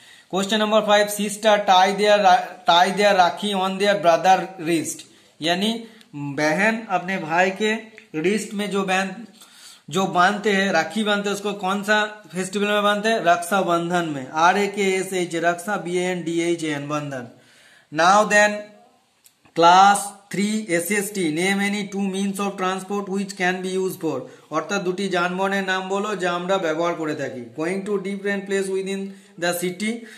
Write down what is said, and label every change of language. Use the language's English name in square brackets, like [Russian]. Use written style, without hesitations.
[English] Question number five, sister tie their rakhi on their brother wrist. [Hindi] यानी बहन अपने भाई के रिस्ट में जो राखी बांधते उसको कौन सा फेस्टिवल में बांधते हैं? रक्षाबंधन में, RAKSH, RAKSH, बंधन. [English] Now then, class 3 SST, name any two means of transport which can be used for. [Bangla] অর্থাৎ দুটি যানবাহনের নাম বলো যা আমরা ব্যবহার করে থাকি. [English] Going to different place within the city.